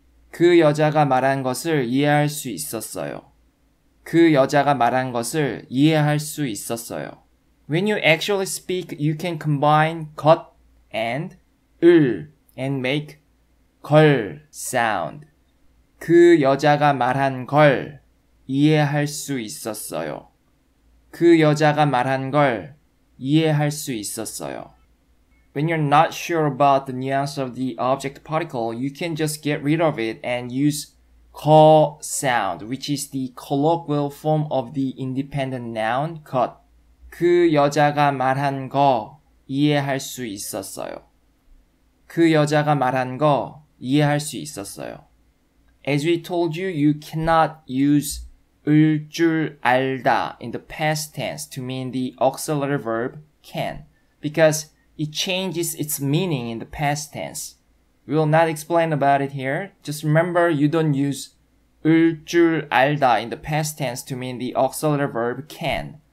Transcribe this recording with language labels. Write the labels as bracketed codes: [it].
[ko] 그 여자가 말한 것을 이해할 수 있었어요. 그 여자가 말한 것을 이해할 수 있었어요. [en] When you actually speak, you can combine 것 and 을 and make 걸 sound. [ko] 그 여자가 말한 걸 이해할 수 있었어요. 그 여자가 말한 걸 이해할 수 있었어요. [en] When you're not sure about the nuance of the object particle, you can just get rid of it and use 거 sound, which is the colloquial form of the independent noun 것. [ko] 그 여자가 말한 거 이해할 수 있었어요. 그 여자가 말한 거 이해할 수 있었어요. [en] As we told you, you cannot use 을 줄 알다 in the past tense to mean the auxiliary verb can because it changes its meaning in the past tense. We will not explain about it here. Just remember you don't use 을 줄 알다 in the past tense to mean the auxiliary verb can.